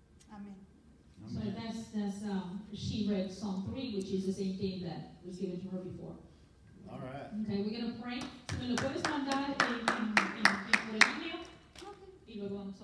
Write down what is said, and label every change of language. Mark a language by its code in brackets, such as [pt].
[es] Amén. [en] So that's she read Psalm 3, which is the same thing that was given to her before. All right. Okay, we're going to pray. [es] So me lo puedes mandar en por el email.